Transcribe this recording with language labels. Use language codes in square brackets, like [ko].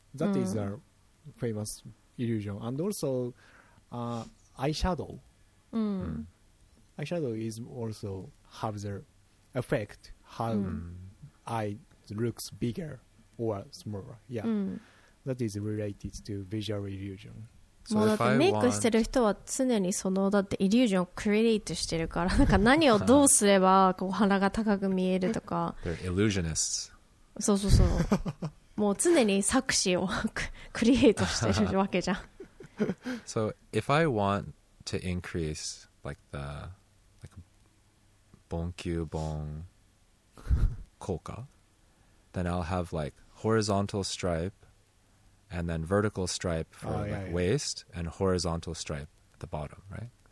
[en] That is a famous illusion. And also, eyeshadow. Eyeshadow is also have the effect how eye looks bigger or smaller. Yeah, that is related to visual illusion. So if I want, [ja] メイクしてる人は常にそのだってイリュージョンをクリエイトしてるから、なんか何をどうすればこう鼻が高く見えるとか。 [en] They're illusionists. [ja] そうそうそう。もう常に作詞をクリエイトしてるわけじゃん。 [en] So if I want. To increase like the like bon kyu bon koka, then I'll have like horizontal stripe and then vertical stripe for waist and horizontal stripe at the bottom, right?